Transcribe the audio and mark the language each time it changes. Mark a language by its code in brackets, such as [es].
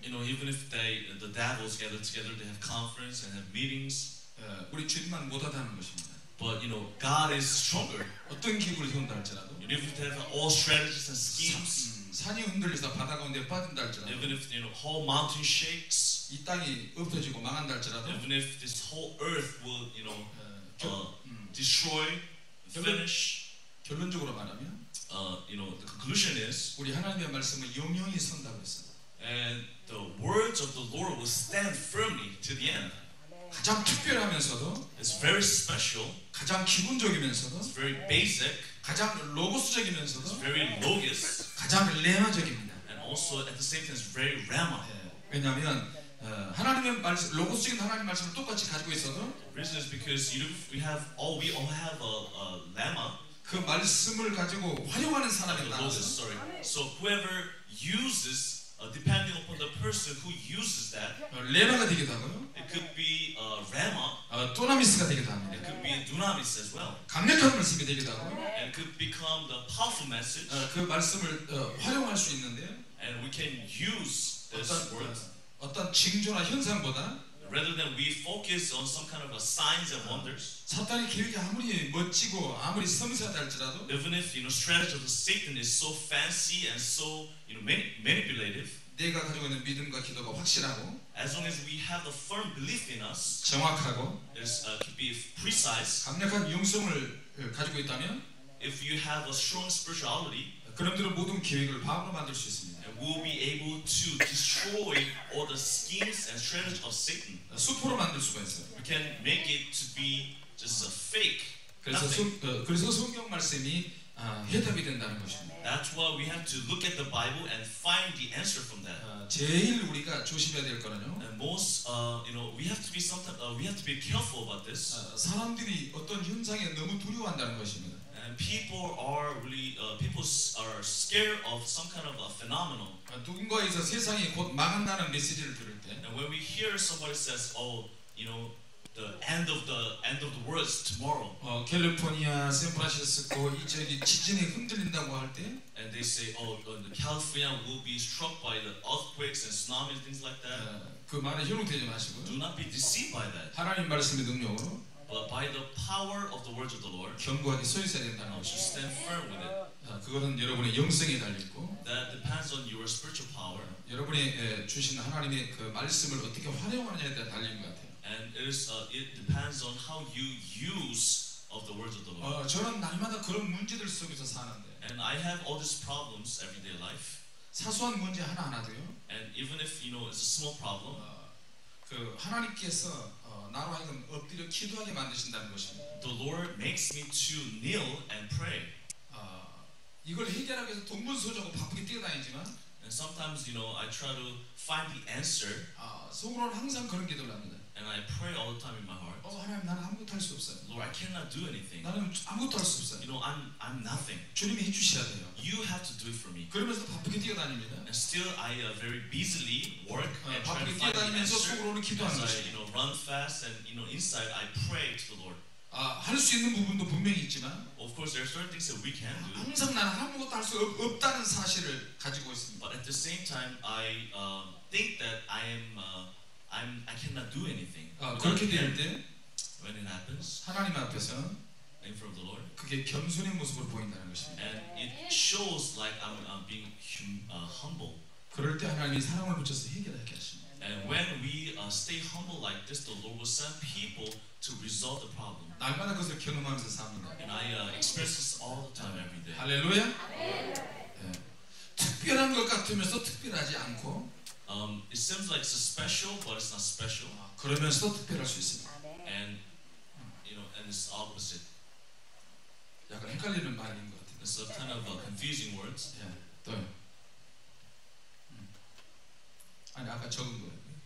[en] You know, even if they, the devils gather together, they have conference and have meetings. [ko] 우리 주님만 못하다는 것입니다. [en] But you know, God is stronger. [ko] 어떤 기구를 세운다 할지라도. [en] Even if they have all strategies and schemes. [ko] 산이 흔들려서 바다 가운데 빠진다 할지라도. [en] Even if you know, whole mountain shakes. [ko] 이 땅이 없어지고 망한다 할지라도. [en] Even if this whole earth will, you know, destroy, finish. [ko] 결론적으로 말하면, [en] You know, the conclusion is. [ko] 우리 하나님의 말씀은 영영히 선다고 했어. [en] And the words of the Lord will stand firmly to the end. [ko] 가장 특별하면서도 [en] It's very special. [ko] 가장 기본적이면서도 [en] It's very basic. [ko] 가장 로고스적이면서도 [en] it's very logos [ko] 가장 레마적입니다. [en] And also at the same time it's very rhema. [ko] 왜냐하면 하나님의 말씀, 로고스적인 하나님 말씀을 똑같이 가지고 있어도 [en] the reason is because you know, we all have a lemma. [ko] 그 말씀을 가지고 활용하는 사람이 나와서 [en] sorry. So whoever uses depending upon the person who uses that, [ko] 레마가 되기도 하고요. [en] It could be a rhema. [ko] 도나미스가 되기도 합니다. [en] It could be a dunamis as well. [ko] 강력한 말씀이 되기도 하고요. [en] And it could become the powerful message. [ko] 그 말씀을 활용할 수 있는데요. [en] And we can use this 어떤, word. [ko] 어떤 징조나 현상보다 [en] rather than we focus on some kind of a signs and wonders. [ko] 사탄의 계획이 아무리 멋지고 아무리 섬세하다 할지라도 [en] even if you know strategy of Satan is so fancy and so you know manipulative. [ko] 내가 가지고 있는 믿음과 기도가 확실하고 [en] as long as we have a firm belief in us. [ko] 정확하고 [en] is to be precise. [ko] 강력한 영성을 가지고 있다면 [en] if you have a strong spirituality. [ko] 그럼대로 모든 계획을 방으로 만들 수 있습니다. [en] And we'll be able to destroy all the schemes and strategies of Satan. [ko] 수포로 만들 수가 있어요. [en] We can make it to be just a fake. [ko] 그래서 그래서 성경 말씀이 해답이 된다는 것입니다. [en] That's why we have to look at the Bible and find the answer from that. [ko] 제일 우리가 조심해야 될 거는요. [en] And most, you know, we have to be sometimes we have to be careful about this. [ko] 사람들이 어떤 현상에 너무 두려워한다는 것입니다. [en] And people are scared of some kind of a phenomenon. [ko] 누군가에서 세상이 곧 망한다는 메시지를 들을 때, [en] and when we hear somebody says, "Oh, you know, the end of the world is tomorrow." [ko] 캘리포니아, 샌프란시스코 이쪽이 지진이 흔들린다고 할 때, [en] and they say, "Oh, California will be struck by the earthquakes and tsunamis and things like that." [ko] 그 말에 현혹되지 마시고요. [en] Do not be deceived by that. [ko] 하나님 말씀의 능력으로. [en] But by the power of the words of the Lord, [ko] 견고하게 서 있어야 된다는 것이 [en] stand firm with it. [ko] 그거는 여러분의 영성에 달리고 [en] that depends on your spiritual power. [ko] 여러분이 주신 하나님의 그 말씀을 어떻게 활용하느냐에 대한 달린 것 같아요. [en] And it depends on how you use of the words of the Lord. [ko] 저는 날마다 그런 문제들 속에서 사는데. [en] And I have all these problems everyday life. [ko] 사소한 문제 하나 하나도요. [en] And even if you know it's a small problem. [ko] 그 하나님께서 나로 하여금 엎드려 기도하게 만드신다는 것입니다. [en] The Lord makes me to kneel and pray. [ko] 이걸 해결하기 위해서 동문서적으로 바쁘게 뛰어다니지만 [en] and sometimes you know I try to find the answer. [ko] 속으로는 항상 그런 기도를 합니다. [en] And I pray all the time in my heart. [ko] 하나님 나는 아무것도 할 수 없어요. [en] Lord, I cannot do anything. [ko] 나는 아무것도 할 수 없어요. [en] You know, I'm nothing. [ko] 주님이 해 주셔야 돼요. [en] You have to do it for me. [ko] 그러면서 바쁘게 뛰어다닙니다. [en] And still I very busily work and try to find the answer. [ko] 바쁘게 뛰어다니면서 속으로는 기도하는 것이. [en] You know, run fast and you know inside I pray to the Lord. [ko] 할 수 있는 부분도 분명히 있지만 [en] of course there are certain things that we can do. [ko] 항상 나는 아무것도 할 수 없다는 사실을 가지고 있습니다. [en] But at the same time I think that I cannot do anything. [ko] 그렇게 될 때 [en] when it happens [ko] 하나님 앞에서 [en] in front of the Lord [ko] 그게 겸손의 모습으로 보인다는 것입니다. [en] And it shows like I'm being humble. [ko] 그럴 때 하나님이 사랑을 붙여서 해결하게 하십니다. [en] And when we stay humble like this the Lord will send people to resolve the problem. [ko] 날마다 그것을 경험하면서 삽니다. [en] And I express this all the time every day. [ko] 할렐루야. 아멘. 네. 특별한 것 같으면서 특별하지 않고 [en] It seems like it's special, but it's not special. [ko] 그러면서도 특별할 수 있습니다. [en] And you know, and it's opposite. [ko] 약간 헷갈리는 말인 것 같아요. [en] It's a kind of a confusing words. [ko] 예, 또요. 아니 아까 적은 거예요.